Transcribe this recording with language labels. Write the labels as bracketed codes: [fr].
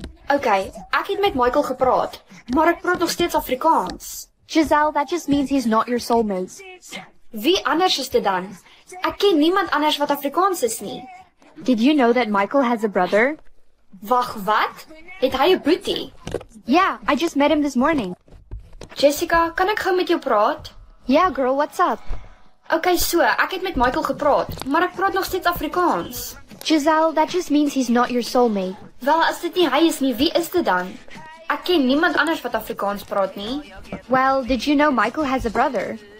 [af] Okay, ek het met Michael gepraat, maar ek praat nog steeds Afrikaans. [en] Giselle, that just means he's not your soulmate. [af] Wie anders is dit dan? Ek ken niemand anders wat Afrikaans is nie. [en] Did you know that Michael has a brother? [af] Wag, wat? Het hy 'n boetie? [en] Yeah, I just met him this morning. [af] Jessica, kan ek gou met jou praat? [en] Yeah, girl, what's up? [af] Okay, so, ek het met Michael gepraat, maar ek praat nog steeds Afrikaans. [en] Giselle, that just means he's not your soulmate. [af] Wel, as dit nie hy is nie, wie is dit dan? Ek ken niemand anders wat Afrikaans praat nie. [en] Well, did you know Michael has a brother?